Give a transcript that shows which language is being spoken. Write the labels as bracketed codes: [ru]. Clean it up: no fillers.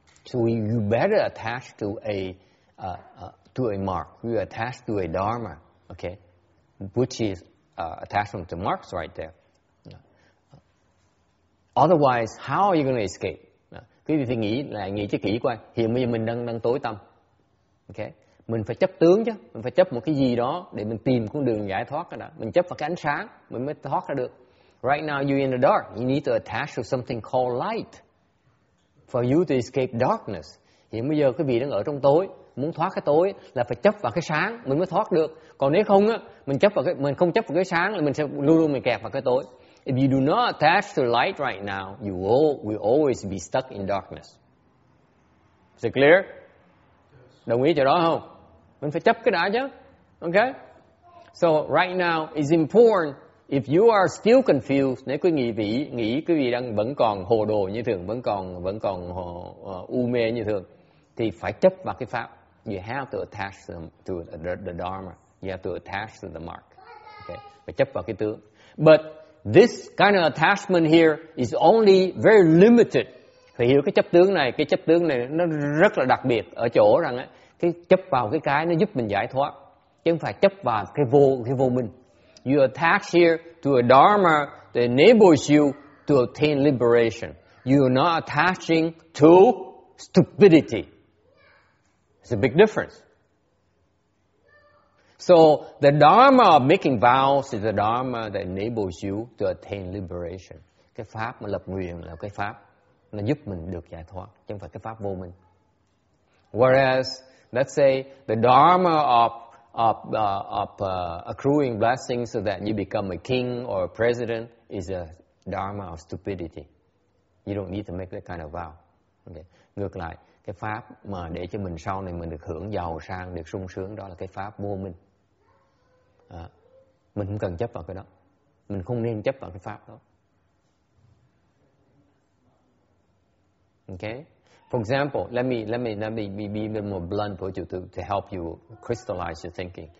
[en] So you better attach to a mark. We attach to a dharma, okay, which is attachment to marks right there. Otherwise, how are you going to escape? [vi] Quý vị phải nghĩ là nghĩ cho kỹ coi, hiện bây giờ mình đang tối tâm. Ok, mình phải chấp tướng chứ, mình phải chấp một cái gì đó để mình tìm con đường giải thoát đó. Mình chấp vào cái ánh sáng mình mới thoát ra được. [en] Right now you're in the dark, you need to attach to something called light for you to escape darkness. [vi] Hiện bây giờ quý vị đang ở trong tối, muốn thoát cái tối là phải chấp vào cái sáng mình mới thoát được. Còn nếu không á, mình không chấp vào cái sáng là mình sẽ luôn luôn mình kẹp vào cái tối. [en] If you do not attach to light right now, you will always be stuck in darkness. Is it clear? [vi] Đồng ý chỗ đó không? Mình phải chấp cái đã chứ. Okay? [en] So right now it's important, if you are still confused, [vi] nếu quý vị nghĩ quý vị đang vẫn còn hồ đồ như thường, vẫn còn mê như thường, thì phải chấp vào cái pháp. [en] You have to attach to the dharma. You have to attach to the mark. Okay? [vi] Phải chấp vào cái tướng. [en] But this kind of attachment here is only very limited. [vi] Phải hiểu cái chấp tướng này nó rất là đặc biệt ở chỗ rằng ấy, cái chấp vào cái nó giúp mình giải thoát, chứ không phải chấp vào cái vô minh. [en] You attach here to a dharma that enables you to attain liberation. You are not attaching to stupidity. It's a big difference. So the dharma of making vows is the dharma that enables you to attain liberation. [vi] Cái pháp mà lập nguyện là cái pháp nó giúp mình được giải thoát, chứ không phải cái pháp vô minh. [en] Whereas, let's say the dharma of accruing blessings so that you become a king or a president is a dharma of stupidity. You don't need to make that kind of vow. Okay. [vi] Ngược lại, cái pháp mà để cho mình sau này mình được hưởng giàu sang, được sung sướng, đó là cái pháp vô minh. Mình không cần chấp vào cái đó. Mình không nên chấp vào cái pháp đó. Okay. [en] For example, let me be a bit more blunt for you to help you crystallize your thinking.